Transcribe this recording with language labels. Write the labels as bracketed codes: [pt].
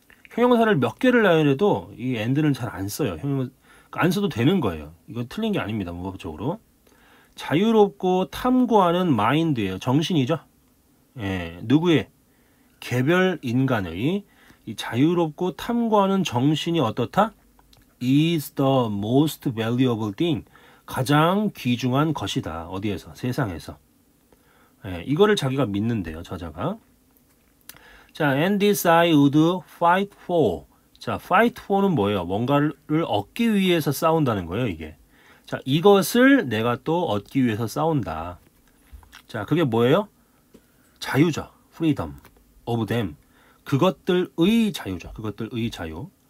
[ko] 형용사를 몇 개를 나열해도 이 and는 잘안 써요. 안 써도 되는 거예요. 이건 틀린 게 아닙니다, 문법적으로. 자유롭고 탐구하는 마인드예요. 정신이죠. 예, 누구의? 개별 인간의. 이 자유롭고 탐구하는 정신이 어떻다? [en] Is the most valuable thing. [ko] 가장 귀중한 것이다. 어디에서? 세상에서. 예, 이거를 자기가 믿는데요, 저자가. [en] And this I would fight for. [ko] 자, fight for는 뭐예요? 뭔가를 얻기 위해서 싸운다는 거예요, 이게. 자, 이것을 내가 또 얻기 위해서 싸운다. 자, 그게 뭐예요? 자유죠. [en] Freedom of them. [ko] 그것들의 자유죠. 그것들의 자유.